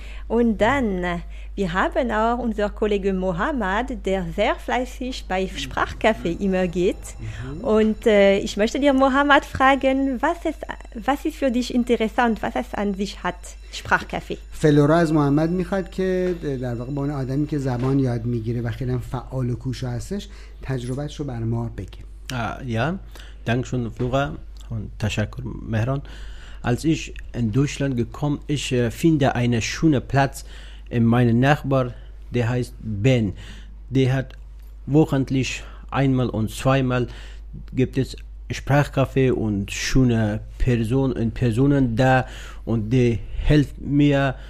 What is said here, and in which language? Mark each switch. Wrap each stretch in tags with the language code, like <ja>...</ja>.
<de>und dann wir haben auch unser Kollege Mohammed der sehr fleißig bei Sprachcafé immer geht und ich möchte dir Mohammed fragen was ist für dich interessant was es an sich hat Sprachcafé</de> <fa>Flora از محمد میخواد که در واقع به اون آدمی که زبان یاد میگیره و خیلی هم فعال و کوشا هستش تجربه‌اش رو بر ما بگه</fa> <de>ja danke schön Flora und</de> <fa>تشکر</fa> <de>مهران Als ich in Deutschland gekommen, ich finde einen schönen Platz in meinem Nachbar, der heißt Ben. Der hat wöchentlich einmal und zweimal gibt es Sprachcafé und schöne Personen da und die helfen mir.</de>